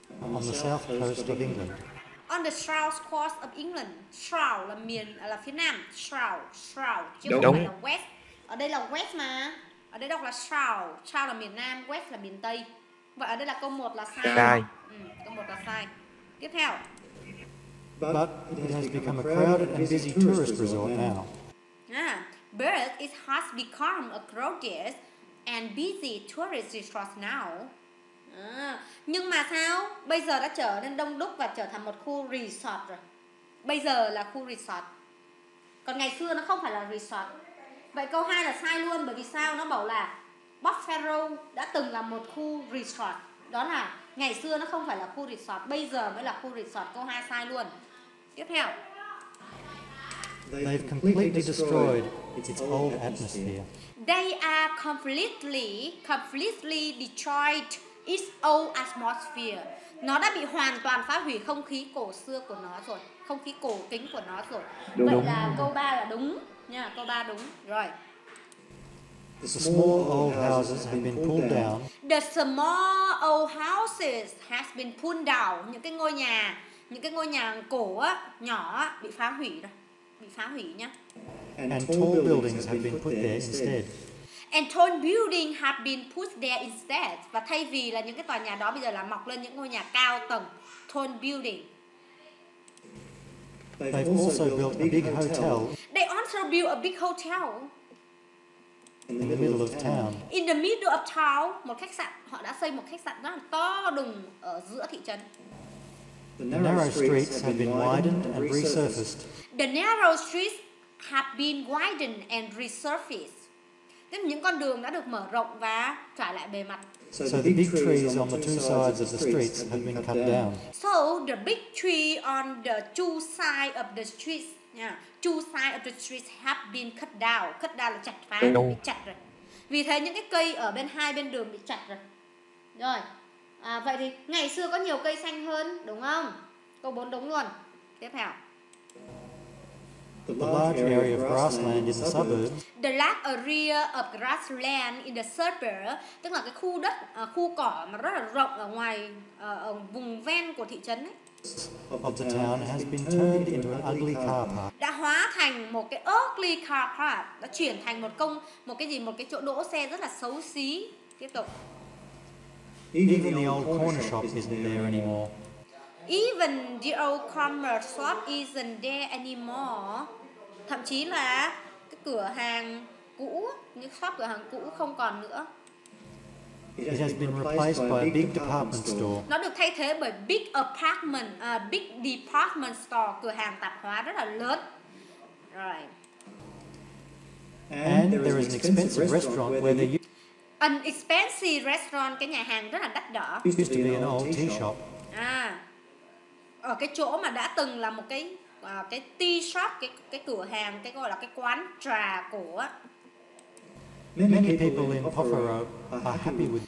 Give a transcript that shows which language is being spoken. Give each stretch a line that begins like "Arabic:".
English: On the south coast of England. On the south coast of England.
Vietnamese: South là miền, là phía nam. South. Chứ không phải là west. Ở đây là west mà. Ở đây đọc là south, south là miền nam, west là miền tây. Vậy ở đây là câu 1 là sai. Sai. Câu 1 là sai. Tiếp theo.
English: But it has become a crowded and busy tourist resort now. Yeah. But it has become a crowded and busy tourist resort now.
Vietnamese: Nhưng mà sao? Bây giờ đã trở nên đông đúc và trở thành một khu resort rồi. Bây giờ là khu resort. Còn ngày xưa nó không phải là resort. Vậy câu 2 là sai luôn, bởi vì sao? Nó bảo là Buffalo đã từng là một khu resort. Đó là ngày xưa nó không phải là khu resort, bây giờ mới là khu resort. Câu 2 sai luôn. Tiếp theo.
English: They've completely destroyed its old atmosphere. They are completely destroyed its old atmosphere.
Vietnamese: Nó đã bị hoàn toàn phá hủy không khí cổ xưa của nó rồi, không khí cổ kính của nó rồi. Vậy là câu 3 là đúng. Nha, câu 3 đúng. Rồi.
English: The small old houses have been pulled down. The small old houses has been pulled down.
Vietnamese: Những cái ngôi nhà cổ á, nhỏ á, bị phá hủy rồi. Bị phá hủy nhá.
English: And tall buildings have been put there instead. And tall buildings have been put there instead.
Vietnamese: Và thay vì là những cái tòa nhà đó bây giờ là mọc lên những ngôi nhà cao tầng.
English: Tall building. They've also built a big hotel. They also built a big hotel. In the middle of town. In the middle of town,
Vietnamese: một khách sạn, họ đã xây một khách sạn rất là to đùng ở giữa thị trấn.
English: The narrow streets have been widened and resurfaced. The narrow streets have been widened and resurfaced.
Vietnamese: Tức những con đường đã được mở rộng và trả lại bề mặt.
English: So the big trees on the two sides of the streets have been cut down. So the big tree on the two sides of the streets, yeah, two sides of the streets have been cut down.
Vietnamese: Cut down là chặt phá, bị chặt rồi. Vì thế những cái cây ở bên hai bên đường bị chặt rồi. Rồi, à, vậy thì ngày xưa có nhiều cây xanh hơn, đúng không? Câu 4 đúng luôn. Tiếp theo.
English: The large area of grassland in the suburbs. The large area of grassland in the suburbs,
Vietnamese: tức là cái khu đất, khu cỏ mà rất là rộng ở ngoài, ở vùng ven của thị trấn ấy.
English: Of the town has been turned into an ugly car park.
Vietnamese: Đã hóa thành một cái
English: ugly car park,
Vietnamese: đã chuyển thành một cái chỗ đỗ xe rất là xấu xí. Tiếp tục.
English: Even the old corner shop isn't there anymore. Even the old corner shop isn't there anymore.
Vietnamese: Thậm chí là cái cửa hàng cũ, những shop cửa hàng cũ không còn nữa.
English: It has been replaced by a big department store.
Vietnamese: Nó được thay thế bởi
English: big apartment, big department store,
Vietnamese: cửa hàng tạp hóa rất là lớn. Rồi.
English: And there is an expensive restaurant where they used an expensive restaurant,
Vietnamese: cái nhà hàng rất là đắt đỏ.
English: Used to be an old tea shop.
Vietnamese: À, ở cái chỗ mà đã từng là một cái tea shop, cái cửa hàng, cái gọi là cái quán trà cổ á.
English: Many people in Poffero are happy with.